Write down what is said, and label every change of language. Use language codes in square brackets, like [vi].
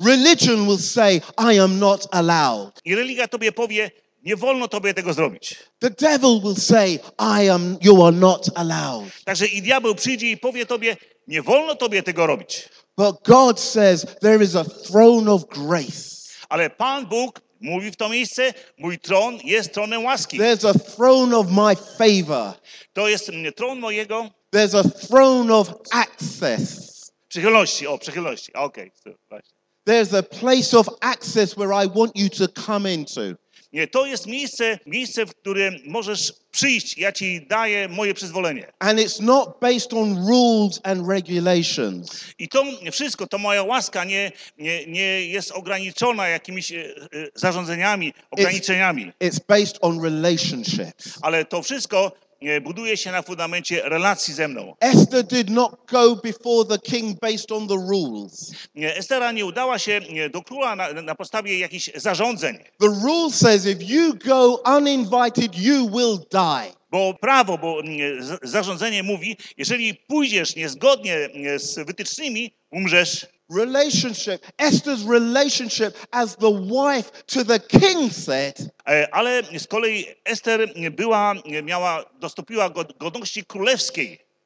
[en] Religion will say I am not allowed. [pl] I religia tobie powie nie wolno tobie tego zrobić. [en] The devil will say, I am, you are not allowed. [pl] Także i diabeł przyjdzie i powie tobie, nie wolno tobie tego robić. [en] But God says, there is a throne of grace. [pl] Ale Pan Bóg mówi w to miejsce, mój tron jest tronem łaski. [en] There's a throne of my favor. [pl] To jest tron mojego. [en] There's a throne of access. [pl] Przychylności, o przychylności, okej. [en] There's a place of access where I want you to come into. [pl] Nie, to jest miejsce, w którym możesz przyjść. Ja ci daję moje przyzwolenie. [en] And it's not based on rules and regulations. [pl] I to wszystko, to moja łaska nie jest ograniczona jakimiś zarządzeniami, ograniczeniami. [en] It's based on relationships. [pl] Ale to wszystko buduje się na fundamencie relacji ze mną. [en] Esther did not go before the king based on the rules. [pl] Estera nie udała się do króla na podstawie jakichś zarządzeń. [en] The rule says if you go uninvited, you will die. [pl] Bo prawo, bo zarządzenie mówi, jeżeli pójdziesz niezgodnie z wytycznymi, umrzesz. [en] Relationship. Esther's relationship as the wife to the king said. [pl] Ale z kolei Ester dostąpiła godności królewskiej.